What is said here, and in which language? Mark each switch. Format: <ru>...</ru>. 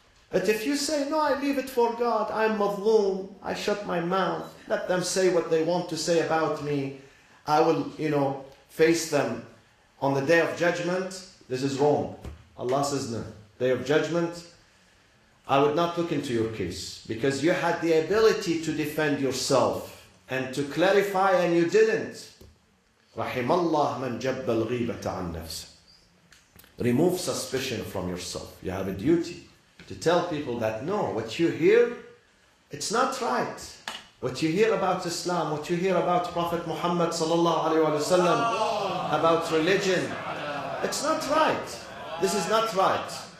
<en>But if you say, no, I leave it for God, I'm mazloom, I shut my mouth, let them say what they want to say about me, I will, you know, face them on the day of judgment, this is wrong. Allah says, no, day of judgment, I would not look into your case because you had the ability to defend yourself and to clarify and you didn't.</en> <ar>رحم الله من جب الغيبة عن نفسه.</ar> <en>Remove suspicion from yourself. You have a duty to tell people that no, what you hear, it's not right. What you hear about Islam, what you hear about Prophet Muhammad sallallahu alaihi wasallam, about religion, it's not right. This is not right.</en>